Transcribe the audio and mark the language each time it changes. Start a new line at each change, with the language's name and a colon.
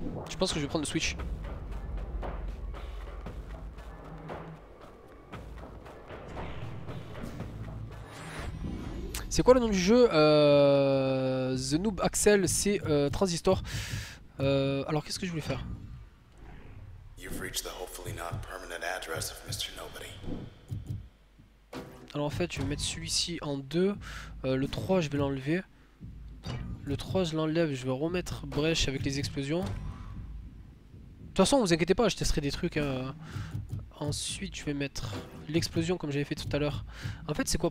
French: Je pense que je vais prendre le switch. C'est quoi le nom du jeu? The Noob Axel, c'est Transistor. Alors qu'est-ce que je voulais faire?
English: You've reached the hopefully not permanent address of Mr. Nobody.
French: Alors en fait je vais mettre celui-ci en 2. Le 3 je vais l'enlever. Le 3 je l'enlève, je vais remettre Brèche avec les explosions. De toute façon, vous inquiétez pas, je testerai des trucs. Ensuite, je vais mettre l'explosion comme j'avais fait tout à l'heure. En fait, c'est quoi?